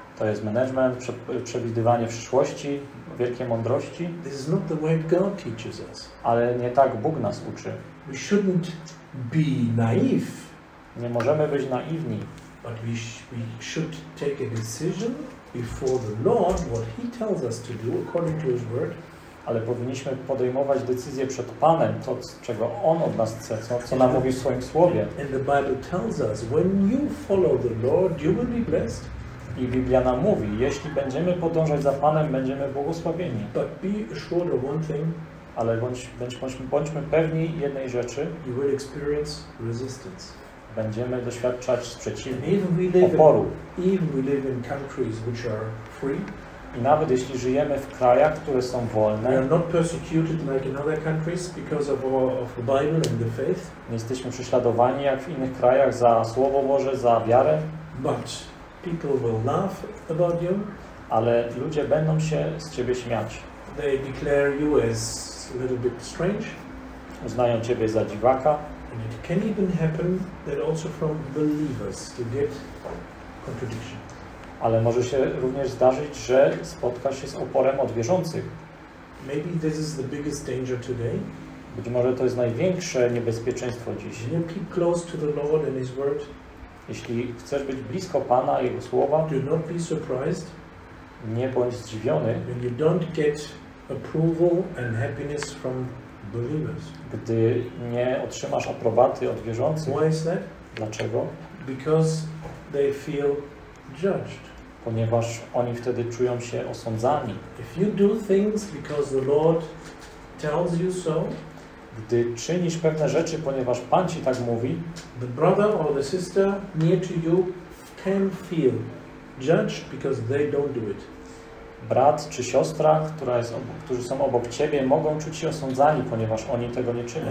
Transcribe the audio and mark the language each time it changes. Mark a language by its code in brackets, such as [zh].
[pl] To jest management, przewidywanie przyszłości, wielkiej mądrości. [en] This is not the way God teaches us. [pl] Ale nie tak Bóg nas uczy. [en] We shouldn't be naive. [pl] Nie możemy być naiwni. [en] But we should take a decision before the Lord what he tells us to do according to his word. [pl] Ale powinniśmy podejmować decyzję przed Panem, to czego on od nas chce, co nam mówi w swoim słowie. [en] And the Bible tells us when you follow the Lord you will be blessed. [pl] I Biblia nam mówi, jeśli będziemy podążać za Panem, będziemy błogosławieni. [en] But be assured of one thing. [pl] Ale bądźmy pewni jednej rzeczy. [en] You will experience resistance. [pl] Będziemy doświadczać sprzeciwu, oporu. [en] Even we live in countries which are free. [pl] I nawet jeśli żyjemy w krajach, które są wolne, [en] we are not persecuted like in other countries because of the Bible and the faith. [pl] Nie jesteśmy prześladowani jak w innych krajach za Słowo Boże, za wiarę. [en] But people will laugh about you. [pl] Ale ludzie będą się z ciebie śmiać. [en] They declare you as a little bit strange. [pl] Uznają ciebie za dziwaka. [en] And it can even happen that also from believers you get contradiction. [pl] Ale może się również zdarzyć, że spotkasz się z oporem od wierzących. [en] Maybe this is the biggest danger today. [pl] Być może to jest największe niebezpieczeństwo dziś. [en] You keep close to the Lord and his word. [pl] Jeśli chcesz być blisko Pana i Jego Słowa, [en] do not be surprised, [pl] nie bądź zdziwiony, [en] when you don't get approval and happiness from believers. [pl] Gdy nie otrzymasz aprobaty od wierzących. [en] Why is that? [pl] Dlaczego? [en] Because they feel judged. [pl] Ponieważ oni wtedy czują się osądzani. [en] If you do things because the Lord tells you so, [pl] gdy czynisz pewne rzeczy, ponieważ Pan ci tak mówi, [en] the brother or the sister near to you can feel judged because they don't do it. [pl] Brat czy siostra, którzy są obok ciebie, mogą czuć się osądzani, ponieważ oni tego nie czynią.